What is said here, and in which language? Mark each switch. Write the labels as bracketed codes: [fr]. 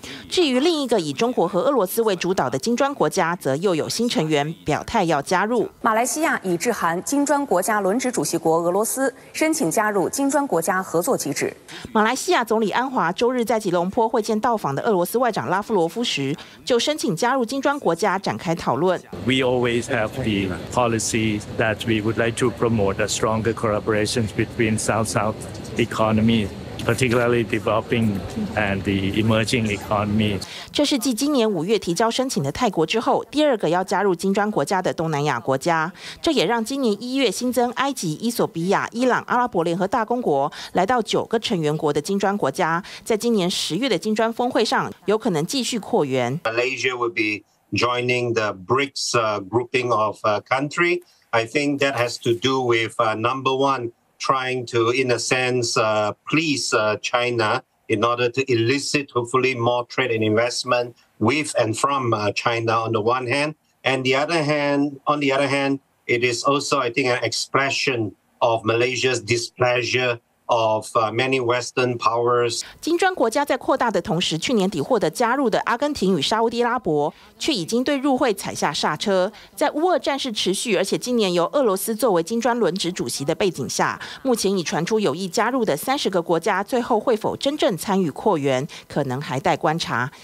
[zh] 至于另一个以中国和俄罗斯为主导的金砖国家，则又有新成员表态要加入。马来西亚已致函金砖国家轮值主席国俄罗斯，申请加入金砖国家合作机制。马来西亚总理安华周日在吉隆坡会见到访的俄罗斯外长拉夫罗夫时，就申请加入金砖国家展开讨论。 [en] We always have the policy that we would like to promote a stronger collaboration between South-South economies. Particularly developing and the emerging economy. [zh] 这是继今年五月提交申请的泰国之后，第二个要加入金砖国家的东南亚国家。这也让今年一月新增埃及、伊索比亚、伊朗、阿拉伯联合大公国来到九个成员国的金砖国家，在今年十月的金砖峰会上有可能继续扩员。 [en] Malaysia will be joining the BRICS grouping of country. I think that has to do with number one. Trying to, in a sense, please China in order to elicit hopefully more trade and investment with and from China on the one hand. And the other hand, on the other hand, it is also, I think, an expression of Malaysia's displeasure. Of many Western powers. [zh] 金砖国家在扩大的同时，去年底获得加入的阿根廷与沙烏地阿拉伯却已经对入会踩下刹车。在乌俄战事持续，而且今年由俄罗斯作为金砖轮值主席的背景下，目前已传出有意加入的三十个国家最后会否真正参与扩员，可能还待观察。